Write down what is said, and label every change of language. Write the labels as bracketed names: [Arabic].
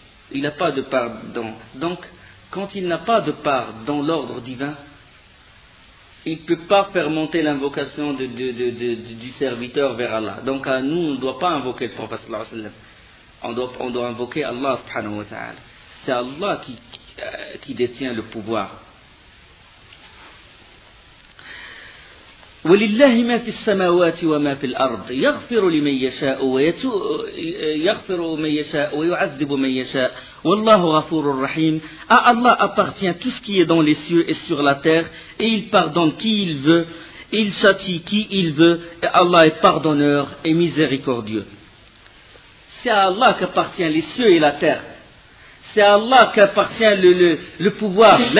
[French] Il n'a pas de part dans... Donc, quand il n'a pas de part dans l'ordre divin, il ne peut pas faire monter l'invocation du serviteur vers Allah. Donc à nous, on ne doit pas invoquer le prophète sallallahu alayhi wa sallam. On doit invoquer Allah subhanahu wa ta'ala. C'est Allah qui détient le pouvoir. [Arabic] ولله ما في السماوات وما في الأرض يغفر لمن يشاء يغفر من يشاء ويعذب من يشاء والله غفور رحيم. [French] À Allah appartient tout ce qui est dans les cieux et sur la terre, et il pardonne qui il veut, il châtie qui il veut, et Allah est pardonneur et miséricordieux. C'est à Allah qu'appartient les cieux et la terre. C'est à Allah qu'appartient le pouvoir.